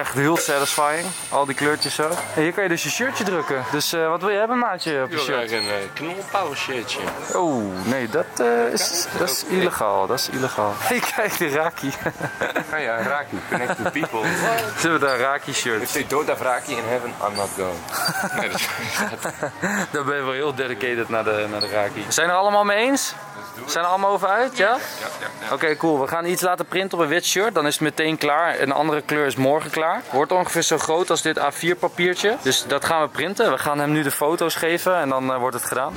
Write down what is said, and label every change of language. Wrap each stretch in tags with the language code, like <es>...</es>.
<nl>Echt heel satisfying. Al die kleurtjes zo. En hier kan je dus je shirtje drukken. Dus wat wil je hebben, maatje, op je shirt? Ik wil een knolpauw shirtje. Oh, nee, dat is illegaal. Dat is illegaal. Hey, kijk, de Raki. Oh ja, Raki.</nl> <en>Connect to people.</en> <nl>Ze hebben daar Raki shirt.</nl> <en>If they don't have Raki in heaven, I'm not going.</en> <nl>Nee, dat is... Dan ben je wel heel dedicated naar de Raki. Zijn er allemaal mee eens? Doe zijn er allemaal over uit, ja? Ja. Oké, cool. We gaan iets laten printen op een wit shirt. Dan is het meteen klaar. Een andere kleur is morgen klaar. Wordt ongeveer zo groot als dit A4 papiertje. Dus dat gaan we printen. We gaan hem nu de foto's geven en dan wordt het gedaan.</nl>